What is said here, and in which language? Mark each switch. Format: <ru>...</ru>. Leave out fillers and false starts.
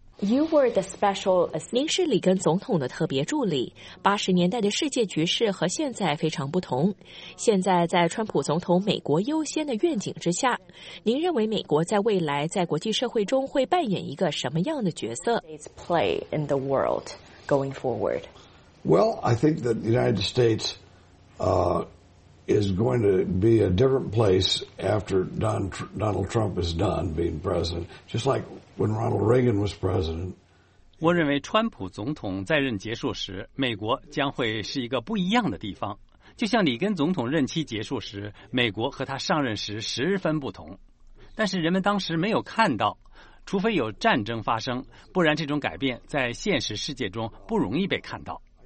<en>You were the special.</en> <zh>您是里根总统的特别助理。80年代的世界局势和现在非常不同。现在在川普总统美国优先的愿景之下，您认为美国在未来在国际社会中会扮演一个什么样的角色</zh> <en>？States play in the world going forward. Well, I think that the United States. Is going to be a different place after Donald Trump is done being president, just like when Ronald Reagan was president.</en> <zh>我认为川普总统在任结束时，美国将会是一个不一样的地方，就像里根总统任期结束时，美国和他上任时十分不同。但是人们当时没有看到，除非有战争发生，不然这种改变在现实世界中不容易被看到。</zh>